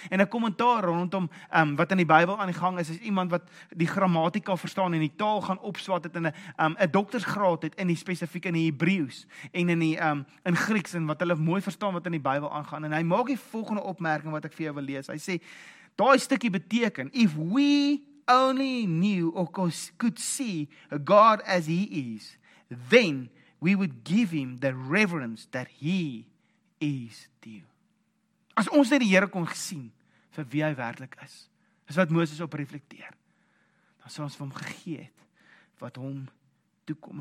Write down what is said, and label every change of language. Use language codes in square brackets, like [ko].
[af] En 'n kommentaar rondom wat in die Bybel aan die gang is, is iemand wat die grammatika verstaan en die taal gaan opswat het en 'n doktersgraad het in die spesifieke in die Hebreeus en in die in Grieks en wat hulle mooi verstaan wat in die Bybel aangaan. En hy maak die volgende opmerking wat ek vir jou wil lees. Hy sê, daai stukkie beteken, [en] if we only knew or could see God as he is, then we would give him the reverence that he is due. [af] As ons net die Here kon gesien vir wie hy werklik is, is wat Moses op reflekteer, dan sou ons vir hom gegee het wat hom toekom.